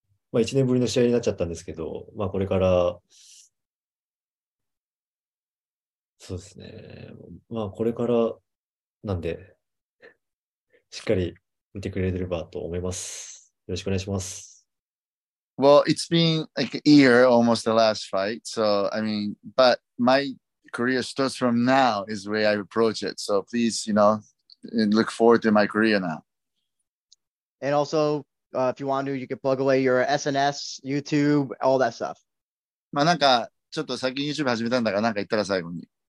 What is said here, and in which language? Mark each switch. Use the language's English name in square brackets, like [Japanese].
[Japanese] まあ、1年ぶりの試合になっちゃったんですけど、まあ、これから、そうですね。まあ、これから、なんで、しっかり見てくれればと思います。よろしくお願いします。 [English] Well, it's been like a year, almost the last fight. So, I mean, but my... career starts from now is the way I approach it. So please, you know, look forward to my career now. And also, if you want to, you can plug away your SNS, YouTube, all that stuff. [Japanese] まあなんかちょっと最近 YouTube 始めたんだからなんか言ったら最後に。